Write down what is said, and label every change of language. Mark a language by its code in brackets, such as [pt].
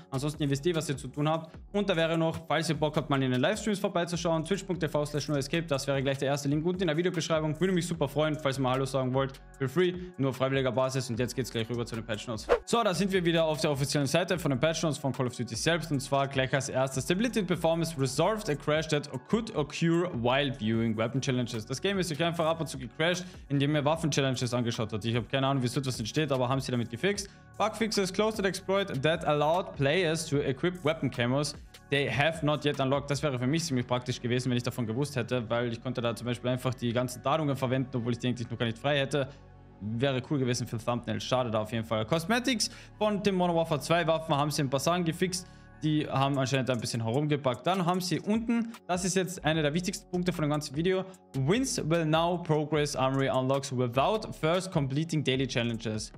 [de] Ansonsten wisst ihr, was ihr zu tun habt. Und da wäre noch, falls ihr Bock habt, mal in den Livestreams vorbeizuschauen, twitch.tv/noescape, das wäre gleich der erste Link unten in der Videobeschreibung. Würde mich super freuen, falls ihr mal Hallo sagen wollt. [en] Feel free, [de] nur freiwilliger Basis und jetzt geht's gleich rüber zu den Patch-Notes. So, da sind wir wieder auf der offiziellen Seite von den Patch-Notes von Call of Duty selbst und zwar gleich als erstes. [en] Stability Performance resolved a crash that could occur while viewing Weapon Challenges. [de] Das Game ist sich einfach ab und zu gecrashed, indem er Waffen Challenges angeschaut hat. Ich habe keine Ahnung, wie so etwas entsteht, aber haben sie damit gefixt. [en] Bugfixes closed exploit that allowed players to equip weapon camos they have not yet unlocked. [de] Das wäre für mich ziemlich praktisch gewesen, wenn ich davon gewusst hätte, weil ich konnte da zum Beispiel einfach die ganzen Ladungen verwenden, obwohl ich die eigentlich noch gar nicht frei hätte. Wäre cool gewesen für Thumbnails. Schade da auf jeden Fall. Cosmetics von den Modern Warfare 2 Waffen haben sie ein paar Sachen gefixt. Die haben anscheinend ein bisschen herumgepackt. Dann haben sie unten, das ist jetzt einer der wichtigsten Punkte von dem ganzen Video, [en] Wins will now progress Armory Unlocks without first completing daily challenges.